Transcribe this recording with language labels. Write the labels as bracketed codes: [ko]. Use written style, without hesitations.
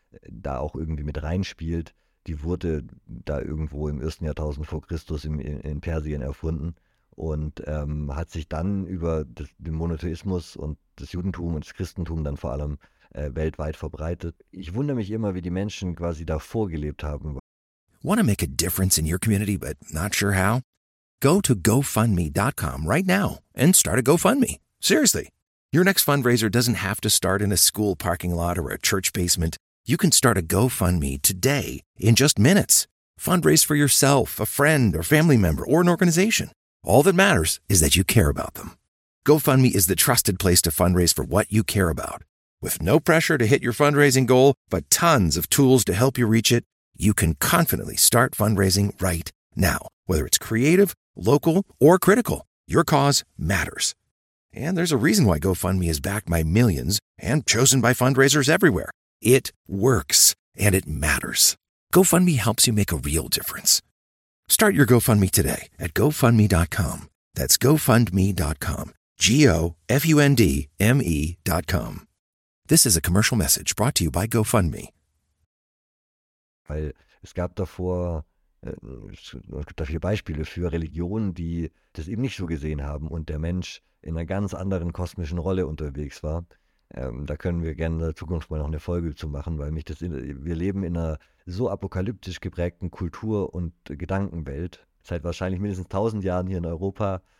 [de] da auch irgendwie mit reinspielt, die wurde da irgendwo im ersten Jahrtausend vor Christus in Persien erfunden und hat sich dann über den Monotheismus und das Judentum und das Christentum dann vor allem weltweit verbreitet. Ich wundere mich immer, wie die Menschen quasi davor gelebt haben. [en] Want to make a difference in your community, but not sure how? Go to GoFundMe.com right now and start a GoFundMe. Seriously. Your next fundraiser doesn't have to start in a school parking lot or a church basement. You can start a GoFundMe today in just minutes. Fundraise for yourself, a friend, or family member, or an organization. All that matters is that you care about them. GoFundMe is the trusted place to fundraise for what you care about. With no pressure to hit your fundraising goal, but tons of tools to help you reach it, you can confidently start fundraising right now. Whether it's creative, local, or critical, your cause matters. And there's a reason why GoFundMe is backed by millions and chosen by fundraisers everywhere. It works, and it matters. GoFundMe helps you make a real difference. Start your GoFundMe today at GoFundMe.com. That's GoFundMe.com. GoFundMe.com. This is a commercial message brought to you by GoFundMe. [de] Weil es gab davor, es gibt da viele Beispiele für Religionen, die das eben nicht so gesehen haben und der Mensch in einer ganz anderen kosmischen Rolle unterwegs war. Da können wir gerne in der Zukunft mal noch eine Folge zu machen, weil wir leben in einer so apokalyptisch geprägten Kultur- und Gedankenwelt seit wahrscheinlich mindestens 1000 Jahren hier in Europa.